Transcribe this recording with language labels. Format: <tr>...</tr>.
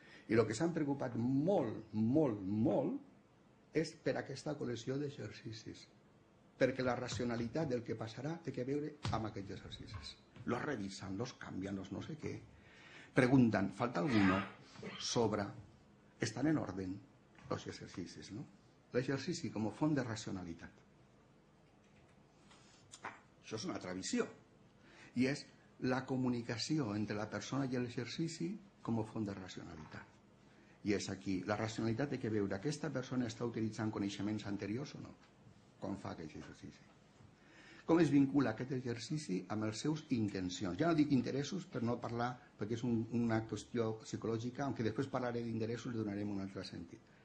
<ca>I el que s'han preocupat molt, molt, molt, és per aquesta col·lecció d'exercicis. Perquè la racionalitat del que passarà té a veure amb aquests exercicis. Los revisen, los canvien, los no sé què.</ca> <es>preguntan, ¿falta alguno? ¿Sobra? ¿Están en orden los ejercicios, no? El ejercicio como font de racionalidad.</es> <ca>Això és una altra visió. I és la comunicació entre la persona i l'exercici com a font de racionalitat. I és aquí. La racionalitat té que veure aquesta persona està utilitzant coneixements anteriors o no, quan fa aquest exercici. Com es vincula aquest exercici amb els seus intencions? Ja no dic interessos per no parlar, perquè és una qüestió psicològica, aunque després parlaré d'interessos i donarem un altre sentit.</ca>